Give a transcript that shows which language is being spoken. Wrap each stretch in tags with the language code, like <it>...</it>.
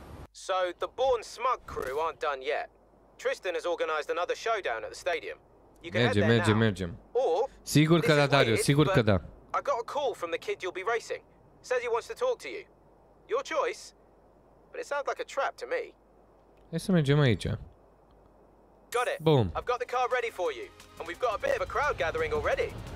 <en>So the Born Smug crew aren't done yet. Tristan has organized another showdown at the stadium. You can merge, head there merge, now. Merge.</en> <ro>Or, sigur că da, Dario, sigur că da.</ro> <en>I got a call from the kid you'll be racing. Says he wants to talk to you. Your choice. But it sounds like a trap to me.</en> <ro>Hai să mergem aici.</ro> <en>Got it. Boom. I've got the car ready for you. And we've got a bit of a crowd gathering already.</en>